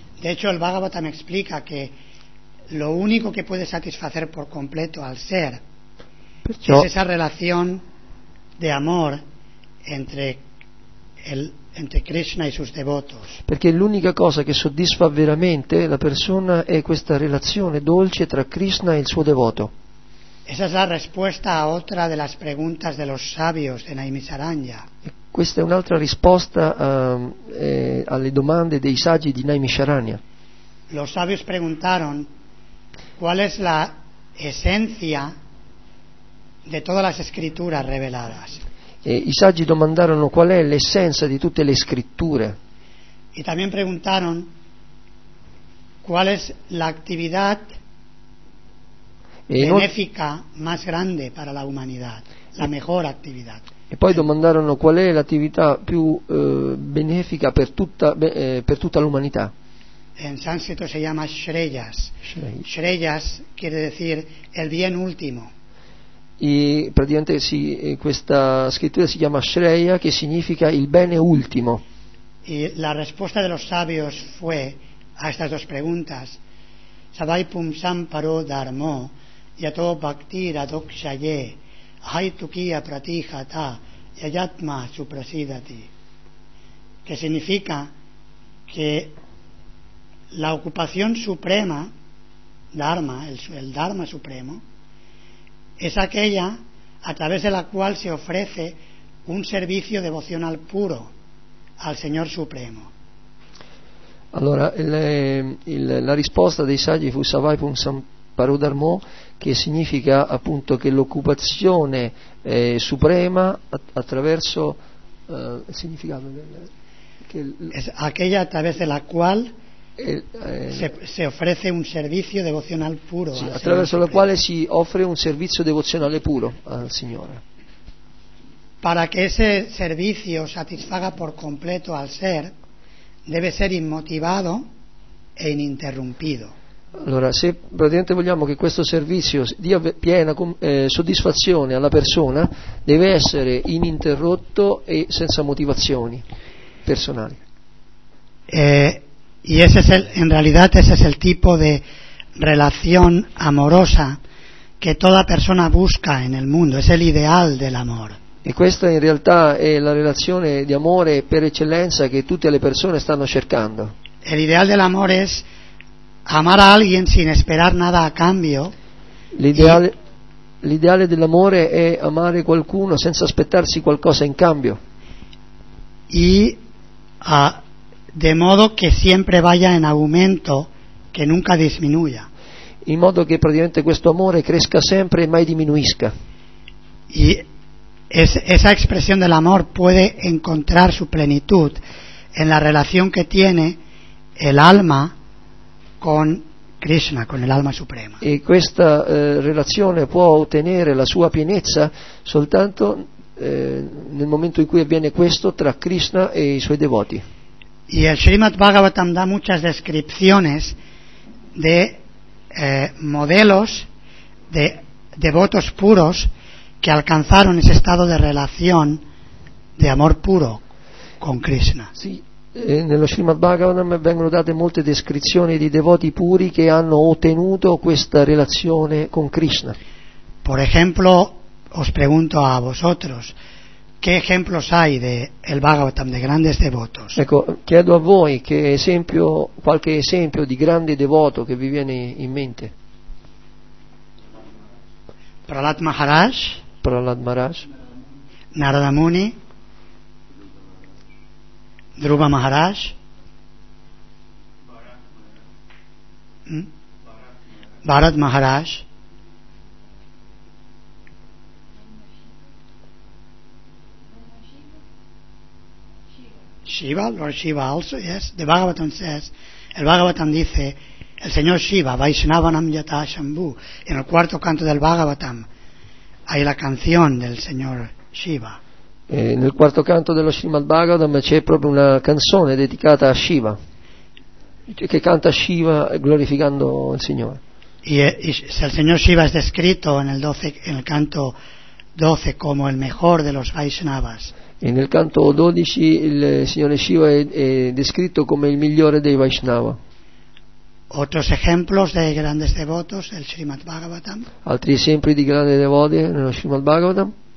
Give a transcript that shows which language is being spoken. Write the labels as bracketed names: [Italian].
[Spanish] De hecho, el Bhagavatam explica que lo único que puede satisfacer por completo al ser [Italian] perciò, [Spanish] es esa relación de amor entre Krishna y sus devotos. [Italian] Perché l'unica cosa che soddisfa veramente la persona è questa relazione dolce tra Krishna e il suo devoto. [Spanish] Esa es la respuesta a otra de las preguntas de los sabios de Naimisharanya. [Italian] Questa è un'altra risposta alle domande dei saggi di Naimisharanya. [Spanish] los sabios preguntaron cuál es la esencia de todas las escrituras reveladas. [Italian] I saggi domandarono qual è l'essenza di tutte le scritture. [Spanish] Y también preguntaron cuál es la actividad benefica más grande para la humanidad, la mejor actividad. [Italian] E poi domandarono qual è l'attività più benefica per tutta l'umanità. [Spanish] En sánscrito se llama Shreyas. Shreyas quiere decir el bien último. [Italian] E praticamente sì, questa scrittura si chiama Shreya, che significa il bene ultimo. [Spanish] Y la respuesta de los sabios fue a estas dos preguntas: [Sanskrit] Sabai pum samparo dharmo yato bhaktira dokshaye haitukiya pratihata yayatma suprasidati, [Spanish] que significa que la ocupación suprema, dharma, el dharma supremo, es aquella a través de la cual se ofrece un servicio devocional puro al Señor Supremo. [Italian] Allora, la risposta dei saggi fu [Sanskrit] Savai Pum Samparo Dharmo, [Italian] che significa appunto che l'occupazione suprema attraverso il significato [Spanish] aquella a través de la cual se ofrece un servicio devocional puro, [Italian] sì, attraverso la quale si offre un servizio devozionale puro al Signore. [Spanish] Para que ese servicio satisfaga por completo al ser, debe ser inmotivado e ininterrumpido. [Italian] Allora, se praticamente vogliamo che questo servizio dia piena soddisfazione alla persona, deve essere ininterrotto e senza motivazioni personali. [Spanish] Y ese es en realidad ese es el tipo de relación amorosa que toda persona busca en el mundo, es el ideal del amor. [Italian] E questa in realtà è la relazione di amore per eccellenza che tutte le persone stanno cercando. [Spanish] El ideal del amor es amar a alguien sin esperar nada a cambio. [Italian] L'ideale dell'amore è amare qualcuno senza aspettarsi qualcosa in cambio. [Spanish] De modo que siempre vaya en aumento, que nunca disminuya. [Italian] In modo che praticamente questo amore cresca sempre e mai diminuisca. [Spanish] Y esa expresión del amor puede encontrar su plenitud en la relación que tiene el alma con Krishna, con el alma suprema. [Italian] E questa relazione può ottenere la sua pienezza soltanto nel momento in cui avviene questo tra Krishna e i suoi devoti. [Spanish] Y el Srimad Bhagavatam da muchas descripciones de modelos de devotos puros que alcanzaron ese estado de relación de amor puro con Krishna. [Italian] Sí, nello Srimad Bhagavatam vengono date molte descrizioni di devoti puri che hanno ottenuto questa relazione con Krishna. [Spanish] Por ejemplo, os pregunto a vosotros, ¿qué ejemplos hay de el Bhagavatam de grandes devotos? [Italian] Ecco, chiedo a voi che esempio, qualche esempio di grande devoto che vi viene in mente. Prahlad Maharaj. Prahlad Maharaj. Narada Muni. Dhruva Maharaj. Bharat Maharaj. [English] Shiva, Lord Shiva also, yes. The Bhagavatam says, [Spanish] el Bhagavatam dice, el señor Shiva, Vaishnavanam Yata Shambhu, en el cuarto canto del Bhagavatam, hay la canción del señor Shiva. [Italian] Nel quarto canto dello Srimad Bhagavatam c'è proprio una canzone dedicata a Shiva, che canta Shiva glorificando il Signore. [Spanish] Y se el señor Shiva es descrito en el canto 12 como el mejor de los Vaishnavas. [Italian] E nel canto 12 il signore Shiva è descritto come il migliore dei Vaishnava. [Spanish] Otros ejemplos de grandes devotos del Srimad Bhagavatam. [Italian] Altri esempi di grandi devoti nello Srimad Bhagavatam.